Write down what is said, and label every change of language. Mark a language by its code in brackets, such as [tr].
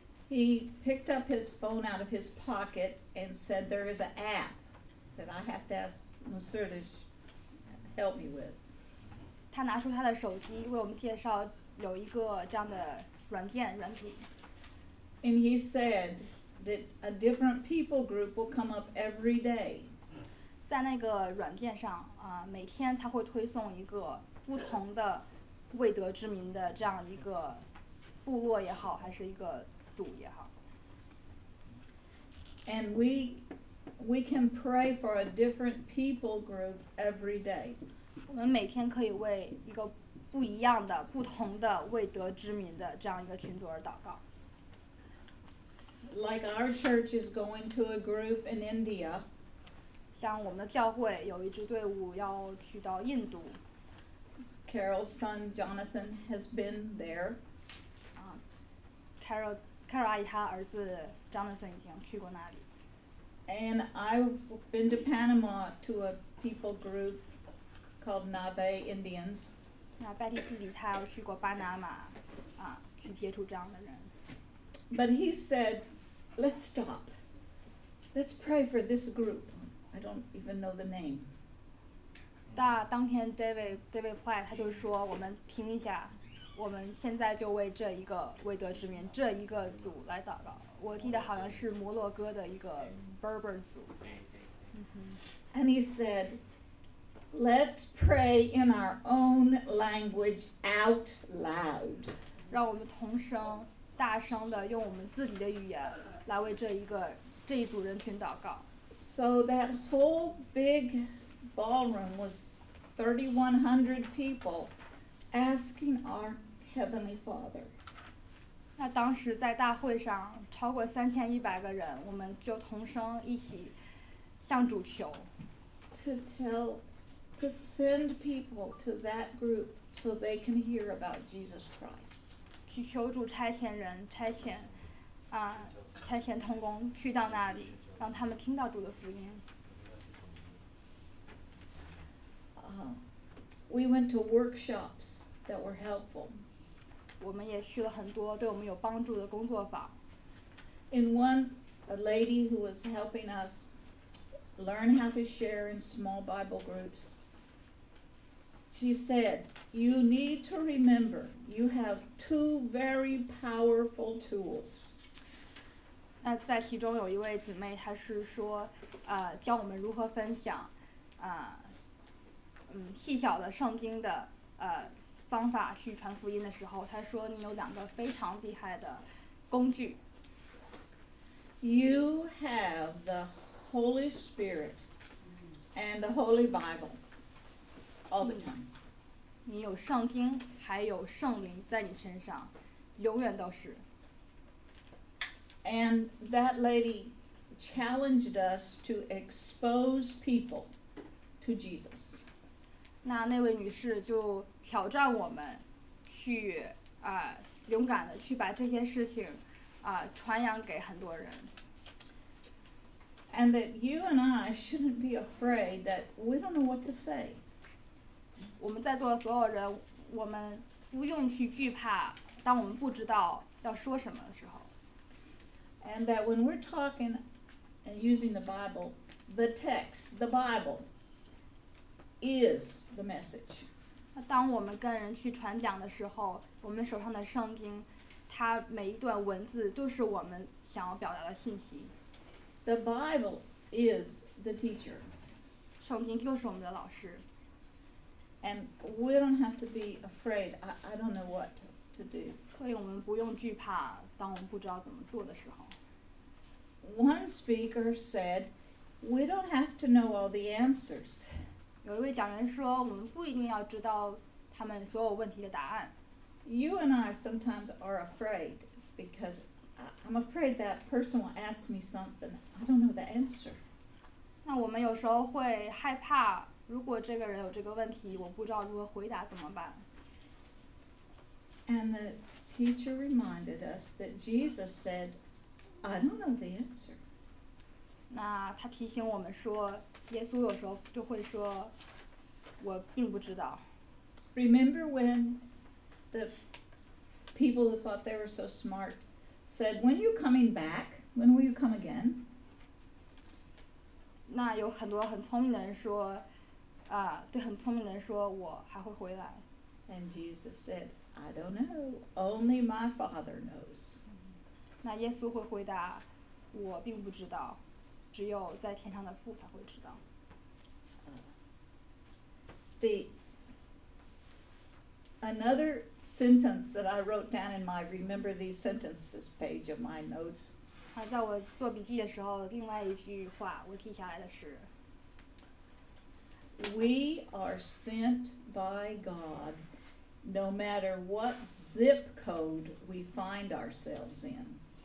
[en] He picked up his phone out of his pocket and said, "There is an app that I have to ask Monsieur to help me with. [zh] 他拿出他的手机为我们介绍有一个这样的软件软体。 [en] And he said that a different people group will come up every day. [zh] 在那个软件上啊，每天他会推送一个不同的未得之名的这样一个部落也好，还是一个组也好。 [en] And we can pray for a different people group every day. [zh] 我们每天可以为一个不一样的、不同的未得之名的这样一个群组而祷告。 [en] Like our church is going to a group in India. [zh] 像我们的教会有一支队伍要去到印度。 [en] Carol's son Jonathan has been there. [zh] Carol 阿姨她儿子 Jonathan 已经去过那里。 [en] And I've been to Panama to a people group called Nave Indians. [zh] 那 Betty 自己她要去过巴拿马，啊，去接触这样的人。 [en] But he said, "Let's stop. Let's pray for this group. I don't even know the name." [zh] 当天 David Platt 他就说，我们停一下。我们现在就为这一个未得之名这一个组来祷告。我记得好像是摩洛哥的一个 Berber 组。 [en] And he said, "Let's pray in our own language out loud." [zh] 让我们同声大声的用我们自己的语言来为这一组人群祷告。 [en] So that whole big ballroom was 3,100 people. Asking our Heavenly Father. [zh] 那当时在大会上超过3100个人，我们就同声一起向主求。 [en] To send people to that group so they can hear about Jesus Christ. [zh] 去求主差遣人，差遣同工去到那里，让他们听到主的福音。 [en] We went to workshops. That were helpful. [zh] 我们也去了很多对我们有帮助的工作坊。 [en] In one, a lady who was helping us learn how to share in small Bible groups, she said, "You need to remember, you have two very powerful tools." [zh] 那在其中有一位姊妹，她是说，教我们如何分享，细小的圣经的，方法去传福音的时候，他说你有两个非常厉害的工具。 [en] You have the Holy Spirit and the Holy Bible all the time. [zh] 你有圣经，还有圣灵在你身上，永远都是。 [en] And that lady challenged us to expose people to Jesus. [zh] 那位女士就挑战我们去勇敢的去把这些事情传扬给很多人。 [en] And that you and I shouldn't be afraid that we don't know what to say. [zh] 我们在座的所有人，我们不用去惧怕当我们不知道要说什么的时候。 [en] And that when we're talking and using the Bible, the text, the Bible,is the message. [zh] 当我们跟人去传讲的时候，我们手上的圣经，它每一段文字都是我们想要表达的信息。 [en] The Bible is the teacher. [zh] 圣经就是我们的老师。 [en] And we don't have to be afraid. I don't know what to do. [zh] 所以我们不用惧怕当我们不知道怎么做的时候。 [en] One speaker said, "We don't have to know all the answers." [zh] 有一位讲员说，我们不一定要知道他们所有问题的答案。 [en] You and I sometimes are afraid because I'm afraid that person will ask me something I don't know the answer. [zh] 那我们有时候会害怕，如果这个人有这个问题，我不知道如何回答怎么办。 [en] And the teacher reminded us that Jesus said, "I don't know the answer." [zh] 那他提醒我们说。耶稣有时候就会说，我并不知道。 [en] Remember when the people who thought they were so smart said, "When are you coming back? When will you come again?" [zh] 那有很多很聪明的人说，对很聪明的人说我还会回来。 [en] And Jesus said, I don't know, only my father knows. [zh] 那耶稣会回答，我并不知道，只有在天上的父才会知道。 [en] Another sentence that I wrote down in my Remember These Sentences page of my notes. [zh] 在我做笔记的时候，另外一句话我记下来的是。 [en] We are sent by God, no matter what zip code we find ourselves in.